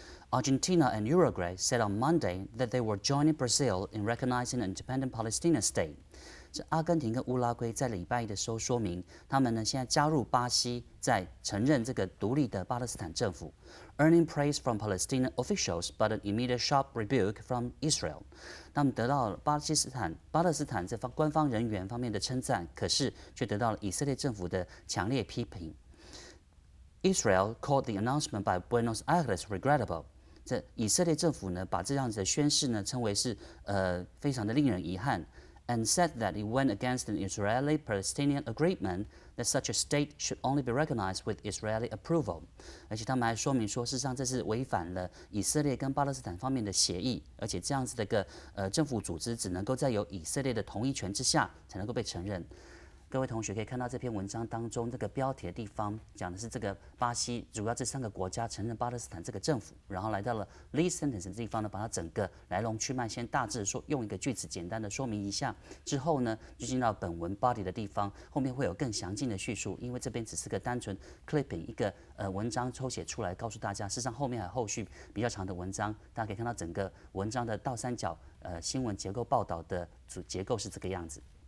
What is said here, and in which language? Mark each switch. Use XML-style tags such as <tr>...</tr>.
<en>Argentina and Uruguay said on Monday that they were joining Brazil in recognizing an independent Palestinian state.</en> <zh>是阿根廷跟乌拉圭在礼拜一的时候说明，他们呢现在加入巴西，在承认这个独立的巴勒斯坦政府。</zh> <en>Earning praise from Palestinian officials, but an immediate sharp rebuke from Israel.</en> <zh>他们得到了巴勒斯坦这方官方人员方面的称赞，可是却得到了以色列政府的强烈批评。</zh> <en>Israel called the announcement by Buenos Aires regrettable.</en> <zh>这以色列政府呢，把这样子的宣誓呢，称为是非常的令人遗憾</zh> <en>，and said that it went against an Israeli-Palestinian agreement that such a state should only be recognized with Israeli approval.</en> <zh>而且他们还说明说，事实上这是违反了以色列跟巴勒斯坦方面的协议，而且这样子的一个政府组织只能够在有以色列的同意权之下才能够被承认。各位同学可以看到这篇文章当中这个标题的地方讲的是这个巴西主要这三个国家承认巴勒斯坦这个政府，然后来到了 lead sentence 的地方呢，把它整个来龙去脉先大致说用一个句子简单的说明一下，之后呢就进到本文 body 的地方，后面会有更详尽的叙述，因为这边只是个单纯 clipping 一个文章抽写出来告诉大家，事实上后面还有后续比较长的文章，大家可以看到整个文章的倒三角新闻结构报道的主结构是这个样子。</zh>